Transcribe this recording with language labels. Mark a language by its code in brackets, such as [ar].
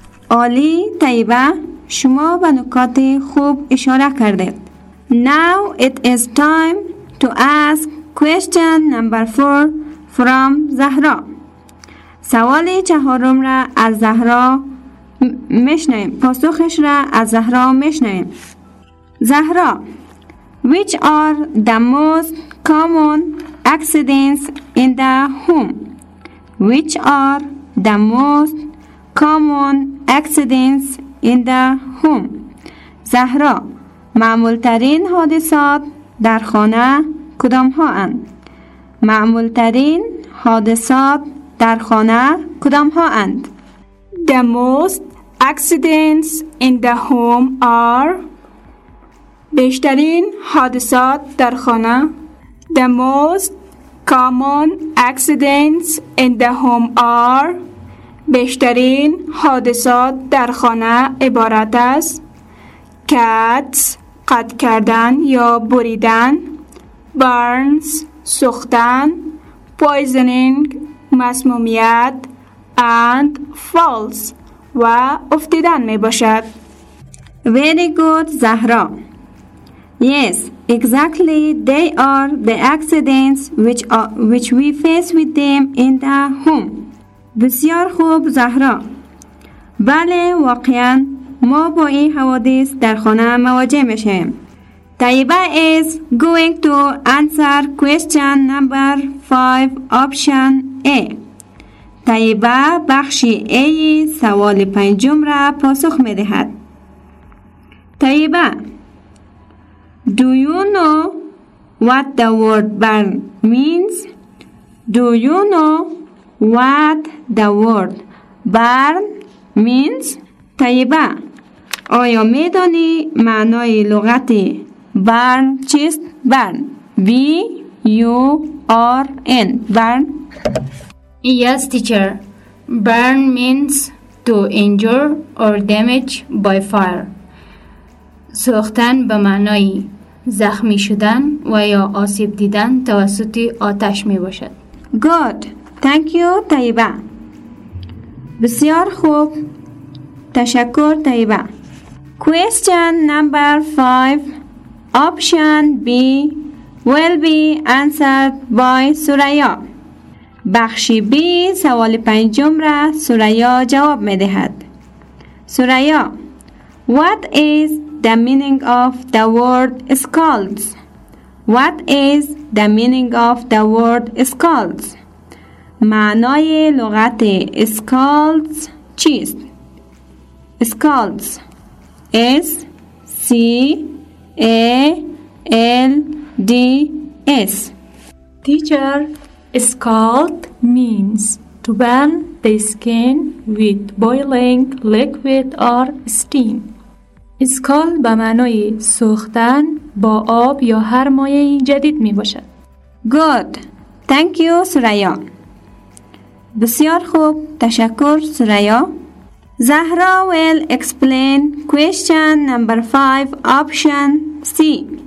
[fa] Ali, Taiba, شما به نکات خوب اشاره کردید. [en] Now it is time to ask question number 4 from Zahra. [fa] سوال چهارم را از زهرا میشنویم. پاسخش را از زهرا میشنویم. [en] Zahra, which are the most common accidents in the home? Which are the most common accidents in the home? [fa] زهرا, معمولترین حادثات در خانه کدام ها اند؟ معمولترین حادثات در خانه کدام ها اند؟ [en] The most accidents in the home are [fa] بیشترین حادثات در خانه. [en] The most common accidents in the home are [fa] بیشترین حادثات در خانه عبارت از cats قطع کردن یا بریدن، burns سوختن، poisoning مسمومیت، and falls و افتیدن می باشد. [en] Very good, Zahra. Yes, exactly, they are the accidents which we face with them in the home. [fa] بسیار خوب, زهرا. بله, واقعاً ما با این حوادث در خانه مواجه می شیم. [en] Taiba is going to answer question number 5, option A. [fa] طیبه بخشی A سوال پنجم را پاسخ می دهد. [en] Tayyaba, do you know what the word burn means? Do you know what the word burn means? [fa] طیبه, آیا می دانی معنای لغت burn چیست؟ burn, B-U-R-N, burn. [en] Yes, teacher. Burn means to injure or damage by fire. [fa] سوختن به معنای زخمی شدن و یا آسیب دیدن توسط آتش می باشد. [en] Good. Thank you, Tayyaba. [fa] بسیار خوب. [en] تشکر, Tayyaba. Question number 5, option B, will be answered by Suraya. [fa] بخشی B سوال پنجم را سوریا جواب می دهد. [en] Suraya, what is the meaning of the word skulls? What is the meaning of the word skulls? [fa] معنای لغت skulls چیست؟ skulls, S-C-A-L-D-S. [en] Teacher, scald means to burn the skin with boiling liquid or steam. [fa] Scald به معنای سوختن با آب یا هر مایع جدید می باشد. [en] Good. Thank you, Suraya. [fa] بسیار خوب. [en] تشکر, Suraya. Zahra will explain question number 5, option C.